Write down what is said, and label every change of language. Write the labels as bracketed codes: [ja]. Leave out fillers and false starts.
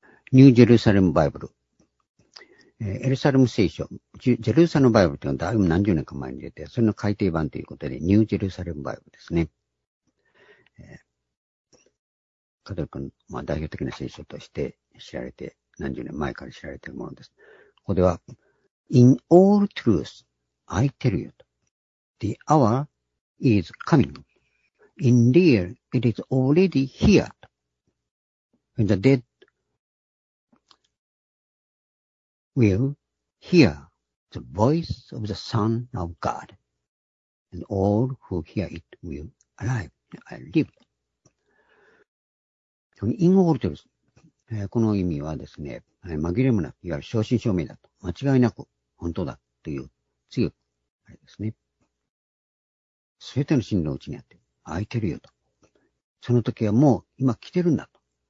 [ja] ニュージェルサレムバイブル。エルサレム聖書。ジェルサレムバイブルというのはだいぶ何十年か前に出て、それの改訂版ということで、ニュージェルサレムバイブルですね。カトリックの、まあ、代表的な聖書として知られて、何十年前から知られているものです。ここでは、 [en] In all truth, I tell you, the hour is coming. Indeed, it is already here. When the dead will hear the voice of the Son of God, and all who hear it will arrive and live. In all truth, [ja] この意味はですね、紛れもなく、いわゆる正真正銘だと、間違いなく、本当だという強くあれですね。すべての真理のうちにあって、空いてるよと。その時はもう今来てるんだと。